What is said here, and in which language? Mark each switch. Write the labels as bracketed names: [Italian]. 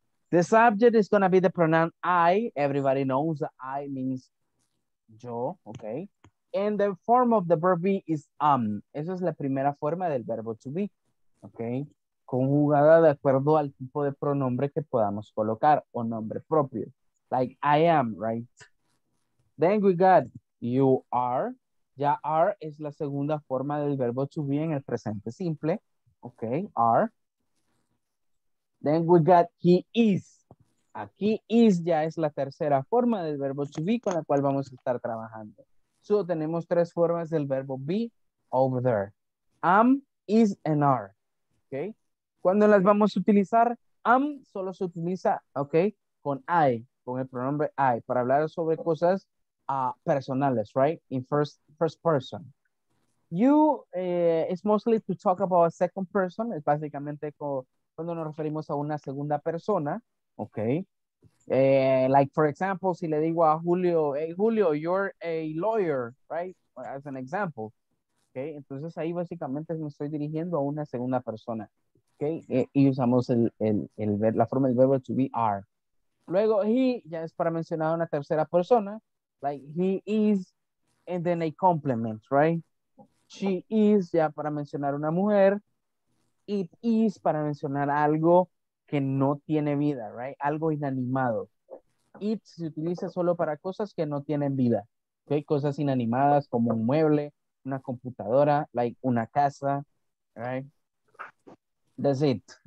[English] The subject is going to be the pronoun I. Everybody knows I means yo, okay? And the form of the verb be is am. [Spanish] Esa es la primera forma del verbo to be, okay? Conjugada de acuerdo al tipo de pronombre que podamos colocar o nombre propio. [English] Like I am, right? Then we got you are. [Spanish] Ya are es la segunda forma del verbo to be en el presente simple. Okay, are. [English] Then we got he is. [Spanish] Aquí is ya es la tercera forma del verbo to be con la cual vamos a estar trabajando. So tenemos 3 formas del verbo be [English] over there. Am, is, and are. Okay. [Spanish] ¿Cuándo las vamos a utilizar? Am solo se utiliza, okay, con I, con el pronombre I, para hablar sobre cosas personales, right? [English] In first person. You is mostly to talk about a second person. [Spanish] Es básicamente cuando nos referimos a una segunda persona, okay? [English] Like for example, [Spanish] si le digo a Julio, [English] hey Julio, you're a lawyer, right? As an example, okay? [Spanish] Entonces ahí básicamente me estoy dirigiendo a una segunda persona, okay? Y usamos la forma del verbo to be are. Luego he ya es para mencionar a una tercera persona. [English] Like he is, and then a compliment, right? [Spanish] She is, ya para mencionar una mujer. It is, para mencionar algo que no tiene vida, right? Algo inanimado. It se utiliza solo para cosas que no tienen vida. Okay, cosas inanimadas como un mueble, una computadora, like una casa, right? [English] That's it.